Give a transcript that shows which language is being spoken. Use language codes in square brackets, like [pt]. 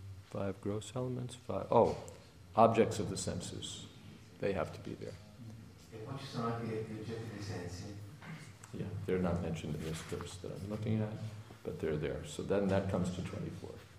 [en] Five gross elements, five. Oh, objects of the senses, they have to be there. [it] E poi ci sono anche gli oggetti dei sensi. [en] Yeah, they're not mentioned in this verse that I'm looking at, but they're there. So then that comes to 24.